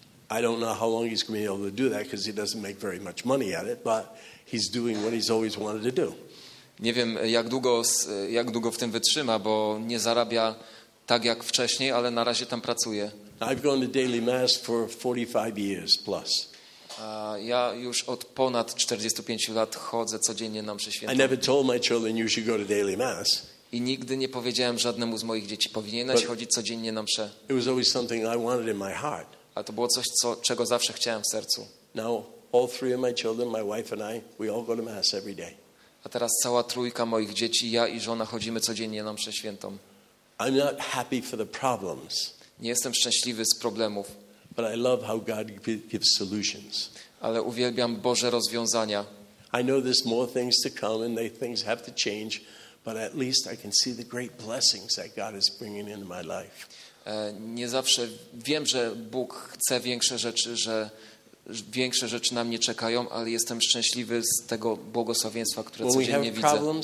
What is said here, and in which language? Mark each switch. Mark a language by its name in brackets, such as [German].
[English] I don't know how long he's going to be able to do that because he doesn't make very much money at it, but he's doing what he's always wanted to do. [Polish] Nie wiem, jak długo w tym wytrzyma, bo nie zarabia tak jak wcześniej, ale na razie tam pracuje. [English] I've gone to daily mass for 45 years plus. [Polish] Ja już od ponad 45 lat chodzę codziennie na mszę świętą. [English] I never told my children you should go to daily mass. [Polish] I nigdy nie powiedziałem żadnemu z moich dzieci, powinieneś chodzić codziennie na mszę. [English] It was always something I wanted in my heart. [Polish] A to było coś, czego zawsze chciałem w sercu. [English] Now all three of my children, my wife and I, we all go to mass every day. [Polish] A teraz cała trójka moich dzieci, ja i żona, chodzimy codziennie na mszę świętą. [English] I'm not happy for the problems. [Polish] Nie jestem szczęśliwy z problemów. [English] But I love how God gives solutions. [Polish] Ale uwielbiam Boże rozwiązania. [English] I know there's more things to come and things have to change, but at least I can see the great blessings that God is bringing into my life. [Polish] Nie zawsze wiem, że Bóg chce większe rzeczy, że większe rzeczy na mnie czekają, ale jestem szczęśliwy z tego błogosławieństwa, które codziennie widzę.